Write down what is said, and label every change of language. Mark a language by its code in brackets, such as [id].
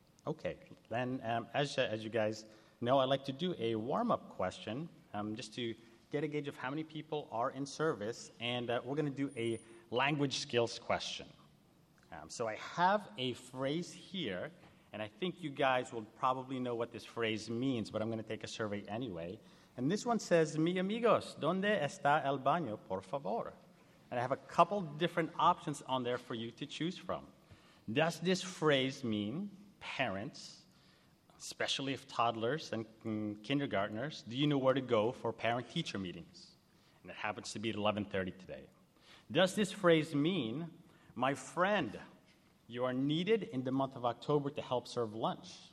[en] Okay, then as you guys know, I'd like to do a warm-up question just to get a gauge of how many people are in service, and we're going to do a language skills question. So I have a phrase here, and I think you guys will probably know what this phrase means, but I'm going to take a survey anyway. And this one says, [es] mi amigos, ¿dónde está el baño, por favor? [en] And I have a couple different options on there for you to choose from. Does this phrase mean parents, especially if toddlers and kindergartners, do you know where to go for parent-teacher meetings? And it happens to be at 11:30 today. Does this phrase mean, my friend, you are needed in the month of October to help serve lunch?